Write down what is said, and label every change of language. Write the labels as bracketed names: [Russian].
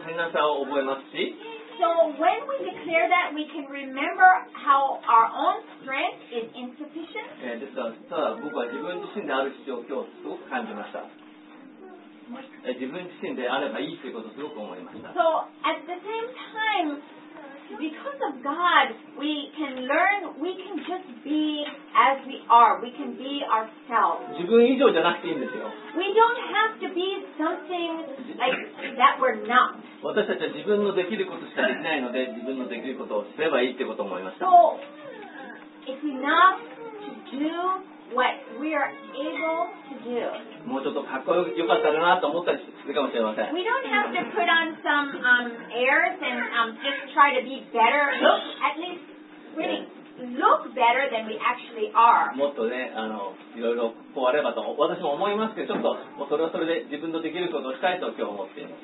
[English] So when we declare that, we can remember how our own strength is insufficient. [Japanese] ですから、ただ僕は自分自身である必要を今日すごく感じました。自分自身であればいいということをすごく思いました。 [English] So at the same time, because of God, we can learn, we can just be as we are, we can be ourselves. [Japanese] 自分以上じゃなくていいんですよ。 [English] We don't have to be something like that we're not. [Japanese] 私たちは自分のできることしかできないので、自分のできることをすればいいということを思いました。 [English] So it's enough to do. What we are able to do. [Japanese] もうちょっとかっこよく良かったなと思ったりするかもしれません。 [English] We don't have to put on some airs and just try to be better. At least really look better than we actually are. [Japanese] もっとね、いろいろこうあればと私も思いますけど、ちょっともうそれはそれで自分のできることをしたいと今日思っています。